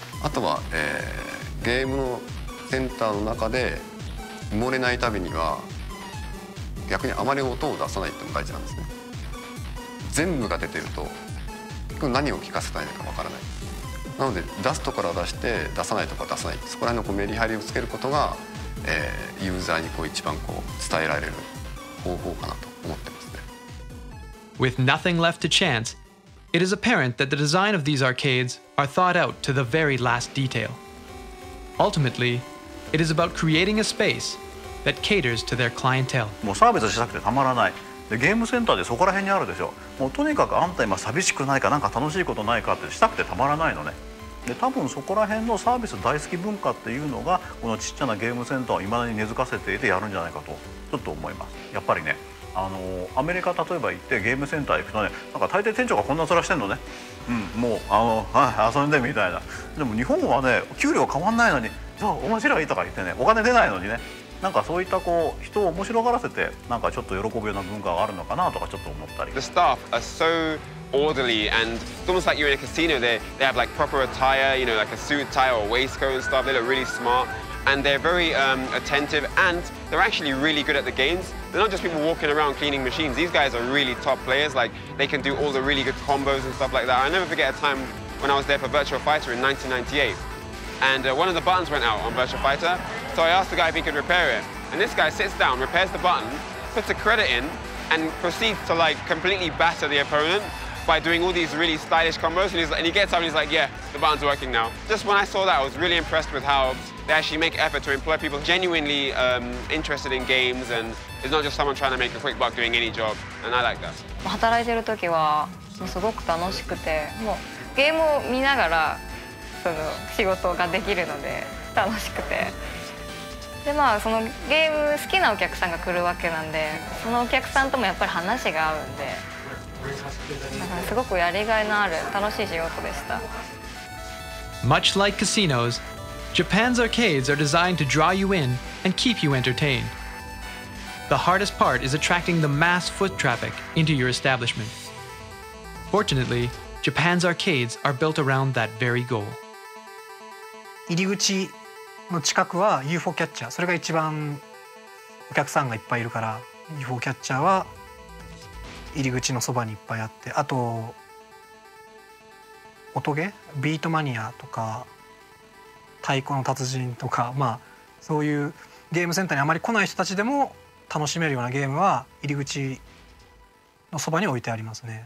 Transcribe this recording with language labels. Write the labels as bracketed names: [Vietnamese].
[Japanese] あとはゲームのセンターの中で埋もれないためには逆にあまり音を出さないっても大事なんですね。全部が出てると結局何を聞かせたいのかわからない。なので出すところは出して出さないところは出さない。そこら辺のこうメリハリをつけることが、ユーザーにこう一番こう伝えられる方法かなと思ってますね。 [English] With nothing left to chance, it is apparent that the design of these arcades are thought out to the very last detail. Ultimately, it is about creating a space. That caters to their clientele. [Japanese] もうサービスしたくてたまらない。で、ゲームセンターでそこら辺にあるでしょ。もうとにかくあんた今寂しくないかなんか楽しいことないかってしたくてたまらないのね。で、多分そこら辺のサービス大好き文化っていうのがこのちっちゃなゲームセンターを未だに根付かせていてやるんじゃないかとちょっと思います。やっぱりね、アメリカ例えば行ってゲームセンター行くとね、なんか大抵店長がこんな面してんのね。うん、もうはい、遊んでみたいな。でも日本はね、給料変わんないのに、じゃあ面白いとか言ってね、お金出ないのにね。なんかそういったこう人を面白がらせてなんかちょっと喜ぶような文化があるのかなとかちょっと思ったり。 [English] The staff are so orderly and it's almost like you're in a casino. They have like proper attire, you know, like a suit tie or waistcoat and stuff. They look really smart and they're very attentive and they're actually really good at the games. They're not just people walking around cleaning machines. These guys are really top players. Like they can do all the really good combos and stuff like that. I never forget a time when I was there for Virtual Fighter in 1998. And one of the buttons went out on Virtual Fighter, so I asked the guy if he could repair it. And this guy sits down, repairs the button, puts a credit in, and proceeds to like completely batter the opponent by doing all these really stylish combos. And he gets up and he's like, yeah, the button's working now. Just when I saw that, I was really impressed with how they actually make effort to employ people genuinely interested in games, and it's not just someone trying to make a quick buck doing any job. And I like that. I was working at the time, it was very fun. I was watching the game. [Japanese] その仕事ができるので楽しくてでまあそのゲーム好きなお客さんが来るわけなんでそのお客さんともやっぱり話が合うんでだからすごくやりがいのある楽しい仕事でした [English] Much like casinos, Japan's arcades are designed to draw you in and keep you entertained. The hardest part is attracting the mass foot traffic into your establishment. Fortunately, Japan's arcades are built around that very goal. [Japanese] 入り口の近くは UFO キャッチャー、それが一番お客さんがいっぱいいるから、 UFO キャッチャーは入り口のそばにいっぱいあって、あと音ゲービートマニアとか太鼓の達人とか、まあそういうゲームセンターにあまり来ない人たちでも楽しめるようなゲームは入り口のそばに置いてありますね。